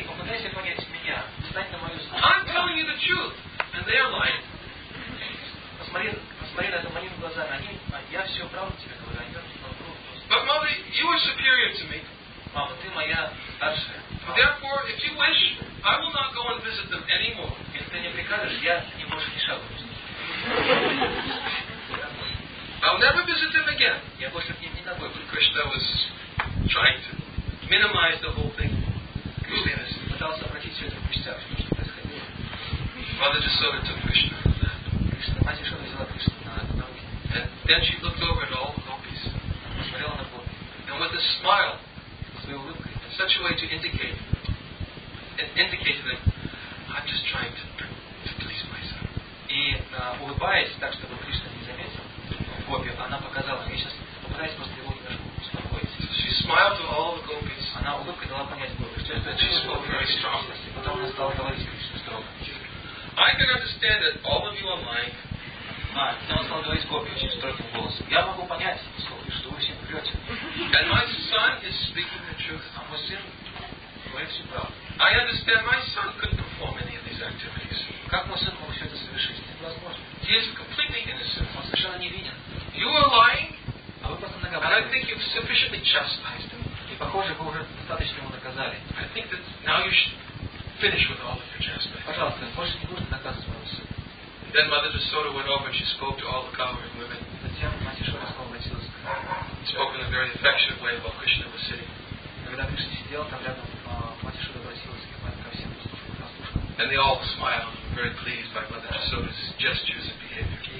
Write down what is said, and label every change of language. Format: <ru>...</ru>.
<en>I'm telling you the truth, and they're lying. But mother, you are superior to me.</en> <ru>Мама, ты моя старшая.</ru> <en>Therefore, if you wish, I will not go and visit them anymore.</en> <ru>Если ты не прикажешь, я не больше не шагу.</ru> <en>I'll never visit them again.</en> <ru>Я больше к ним не такой.</ru> <en>Кришна was trying to minimize the whole thing.</en> <ru>Кришна пытался обратить все это в пустяк, что происходило.</ru> <en>Mother just sort of took Krishna.</en> <ru>Кришна, мать еще взяла Кришну на руки.</ru> <en>And then she looked over at all the gopis.</en> <ru>Посмотрела на гопи.</ru> <en>And with a smile, in such a way to indicate that I'm just trying to please myself.</en> <ru>И улыбаясь так, чтобы Кришна не заметил гопи, она показала, я сейчас попытаюсь просто его немножко успокоить.</ru> <en>She smiled to all the gopis.</en> <ru>Она улыбкой дала понять гопи, что это</ru> <en>she spoke very strongly.</en> <ru>Потом она стала говорить Кришне строго.</ru> <en>I can understand that all of you are lying.</en> <ru>А, потом она стала говорить гопи очень строгим голосом. Я могу понять, что вы все врете.</ru> <en>And my son is speaking the truth.</en> <ru>А мой сын говорит всю правду.</ru> <en>I understand my son could perform any of these activities.</en> <ru>Как мой сын мог все это совершить? Это невозможно.</ru> <en>He is completely innocent.</en> <ru>Он совершенно невинен.</ru> <en>You are lying.</en> <ru>А вы просто наговариваете.</ru> <en>And I think you've sufficiently chastised him.</en> <ru>И похоже, вы уже достаточно ему наказали.</ru> <en>I think that now you should finish with all of your chastisement.</en> <ru>Пожалуйста, больше не нужно наказывать моего сына.</ru> <en>Then Mother Jasoda went over and she spoke to all the cowering women. Spoke in a very affectionate way while Krishna was sitting. And they all smiled, very pleased by Mother Jasoda's gestures and behavior.</en>